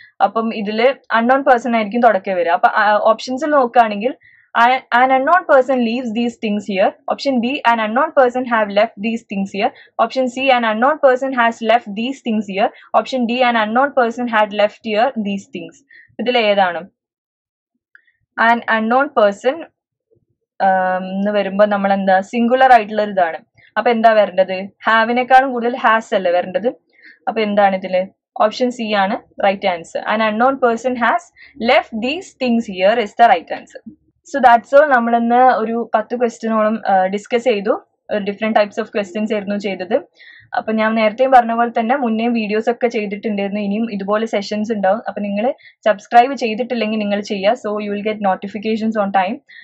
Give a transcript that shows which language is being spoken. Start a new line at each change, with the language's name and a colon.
Malayalam: അപ്പം ഇതില് unknown person ആയിരിക്കും തുടക്കം വരിക.
English: അപ്പൊ ഓപ്ഷൻസിൽ നോക്കുകയാണെങ്കിൽ an unknown person leaves these things here, option B an unknown person have left these things here, option C an unknown person has left these things here, option D an unknown person had left here these things. ഇതിൽ ഏതാണ്?
Malayalam: An unknown person എന്ന് വരുമ്പോൾ നമ്മൾ എന്താ, singular ആയിട്ടുള്ള ഒരിതാണ്. അപ്പൊ എന്താ വരേണ്ടത്? ഹാവിനേക്കാളും കൂടുതൽ ഹാസ് അല്ലേ വരേണ്ടത്. അപ്പൊ എന്താണ് ഇതില്? ഓപ്ഷൻ സി ആണ് right answer.
English: An unknown person has left these things here is the right answer. So that's all.
Malayalam: നമ്മളിന്ന് ഒരു 10 ക്വസ്റ്റ്യനോളം ഡിസ്കസ് ചെയ്തു, ഡിഫറെന്റ് ടൈപ്സ് ഓഫ് ക്വസ്റ്റ്യൻസ് ആയിരുന്നു ചെയ്തത്. അപ്പൊ ഞാൻ നേരത്തെയും പറഞ്ഞ പോലെ തന്നെ മുന്നേ വീഡിയോസ് ഒക്കെ ചെയ്തിട്ടുണ്ടായിരുന്നു, ഇനിയും ഇതുപോലെ സെഷൻസ് ഉണ്ടാവും. അപ്പൊ നിങ്ങൾ സബ്സ്ക്രൈബ് ചെയ്തിട്ടില്ലെങ്കിൽ നിങ്ങൾ ചെയ്യുക,
English: So you will get notifications on time.